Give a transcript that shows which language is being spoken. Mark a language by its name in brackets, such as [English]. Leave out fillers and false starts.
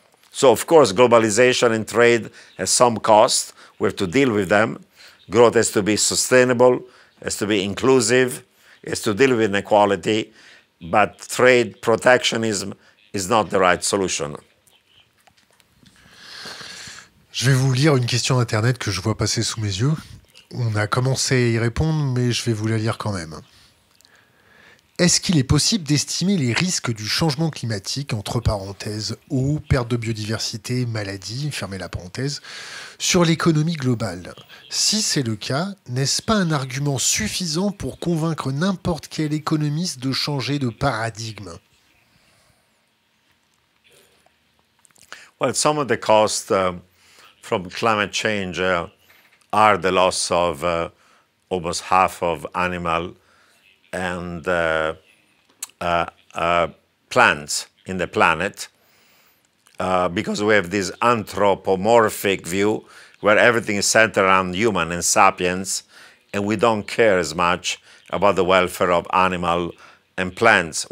[English] So of course, globalization and trade has some cost. We have to deal with them. Growth has to be sustainable, has to be inclusive, has to deal with inequality, but trade protectionism is not the right solution. [French] Je vais vous lire une question d'Internet que je vois passer sous mes yeux. On a commencé à y répondre, mais je vais vous la lire quand même. Est-ce qu'il est possible d'estimer les risques du changement climatique, entre parenthèses, eau, perte de biodiversité, maladie, fermez la parenthèse, sur l'économie globale? Si c'est le cas, n'est-ce pas un argument suffisant pour convaincre n'importe quel économiste de changer de paradigme? [English] Well, some of the costs from climate change are the loss of almost half of animal and plants in the planet, because we have this anthropomorphic view where everything is centered around human and sapiens, and we don't care as much about the welfare of animal and plants.